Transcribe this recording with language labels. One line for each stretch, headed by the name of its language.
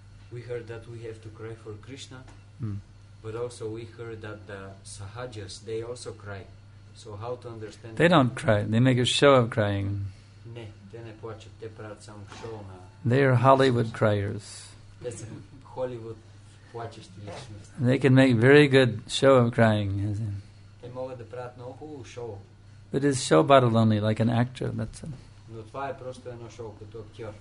English: We heard that we have to cry for Krishna. But also we heard that the Sahajas, they also cry. So how to understand... They don't cry. They make a show of crying.
Bulgarian: Не, те не плачат. Те правят само шоу на...
English: They are Hollywood criers.
Bulgarian: Те са Hollywood плачещи личности.
English: They can make very good show of crying.
Bulgarian: Те могат да правят много хубаво шоу.
English: But it's show battle only, like an actor, that's it.
Bulgarian: Но това е просто едно шоу, като актьор.